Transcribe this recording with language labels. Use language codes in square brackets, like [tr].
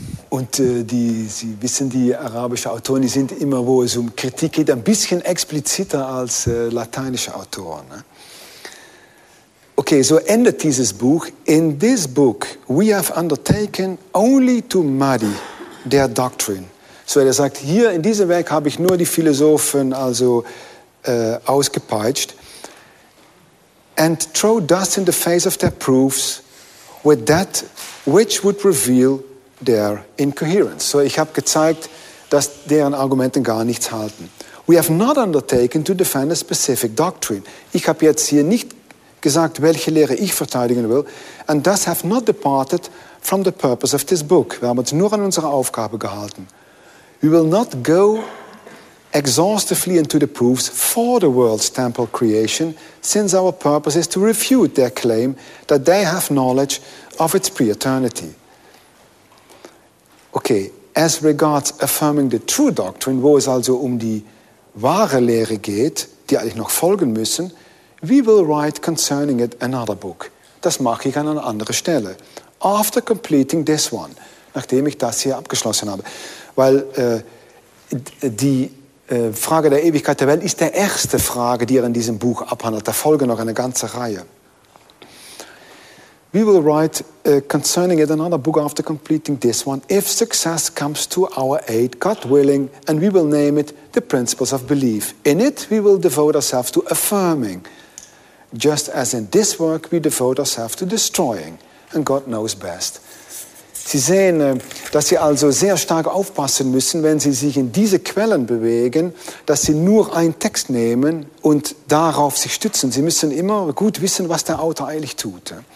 [de] Und Sie wissen, die arabischen Autoren, die sind immer, wo es um Kritik geht, ein bisschen expliziter als lateinische Autoren. Okay, so endet dieses Buch. [en] In this book we have undertaken only to muddy their doctrine. [de] So er sagt, hier in diesem Werk habe ich nur die Philosophen also ausgepeitscht. [en] And throw dust in the face of their proofs with that which would reveal their incoherence. [de] So ich habe gezeigt, dass deren Argumenten gar nichts halten. [en] We have not undertaken to defend a specific doctrine. [de] Ich habe jetzt hier nicht gesagt, welche Lehre ich verteidigen will, [en] and thus have not departed from the purpose of this book. [de] Wir haben uns nur an unsere Aufgabe gehalten. [en] We will not go exhaustively into the proofs for the world's temple creation, since our purpose is to refute their claim that they have knowledge of its pre-eternity. Okay, as regards affirming the true doctrine, [de] wo es also um die wahre Lehre geht, die eigentlich noch folgen müssen, [en] we will write concerning it another book. [de] Das mache ich an einer anderen Stelle. [en] After completing this one. [de] Nachdem ich das hier abgeschlossen habe. Weil die Frage der Ewigkeit der Welt ist die erste Frage, die er in diesem Buch abhandelt. Da folgen noch eine ganze Reihe. [en] We will write concerning it another book after completing this one. If success comes to our aid, God willing, and we will name it the Principles of Belief. In it, we will devote ourselves to affirming, just as in this work we devote ourselves to destroying, and God knows best. [de] Sie sehen, dass Sie also sehr stark aufpassen müssen, wenn Sie sich in diese Quellen bewegen, dass Sie nur einen Text nehmen und darauf sich stützen. Sie müssen immer gut wissen, was der Autor eigentlich tut.